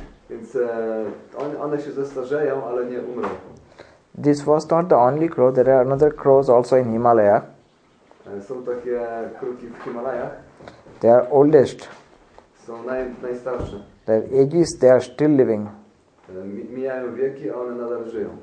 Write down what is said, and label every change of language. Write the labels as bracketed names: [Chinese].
[Polish] Więc one się zestarzeją, ale nie umrą. [English] This was not the only crow. There are another crows also in Himalaya. [Polish] Są takie kruki w Himalajach. [English] They are oldest. [Polish] Są najstarsze. [English] Their ages, they are still living. [Polish] Mijają wieki, a one nadal żyją.